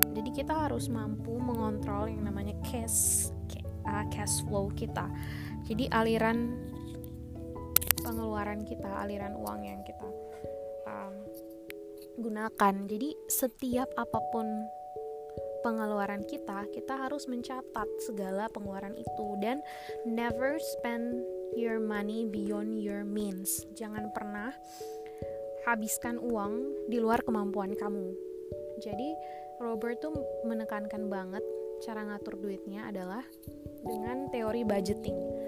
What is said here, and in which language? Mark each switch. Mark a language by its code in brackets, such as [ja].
[id] Jadi kita harus mampu mengontrol yang namanya cash flow kita. Jadi aliran pengeluaran kita, aliran uang yang kita gunakan. Jadi setiap apapun pengeluaran kita, kita harus mencatat segala pengeluaran itu. [en] Dan never spend your money beyond your means. [id] Jangan pernah habiskan uang di luar kemampuan kamu. Jadi Robert tuh menekankan banget cara ngatur duitnya adalah dengan teori budgeting.